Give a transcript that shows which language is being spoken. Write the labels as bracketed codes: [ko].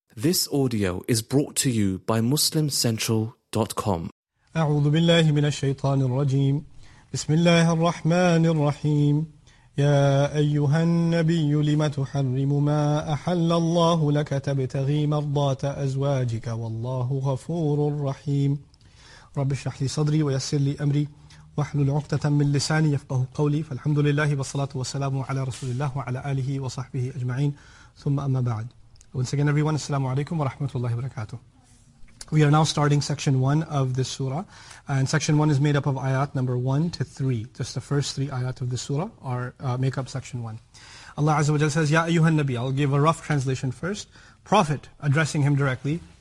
[en] This audio is brought to you by MuslimCentral.com. [ar] أعوذ بالله من الشيطان الرجيم. بسم الله الرحمن الرحيم. يا أيها النبي لم تحرم ما أحل الله لك تبتغي مرضات أزواجك والله غفور رحيم. رب اشرح لي صدري ويسر لي أمري واحلل عقدة من لساني يفقه قولي. فالحمد لله والصلاة والسلام على رسول الله وعلى آله وصحبه أجمعين. ثم أما بعد. [en] Once again, everyone, assalamu alaikum wa rahmatullahi wa barakatuh. We are now starting section 1 of this surah. And section 1 is made up of ayat number 1 to 3. Just the first three ayat of this surah are make up section 1. Allah Azza wa Jalla says, [ar] Ya ayyuhan nabi, [en] I'll give a rough translation first. Prophet, addressing him directly.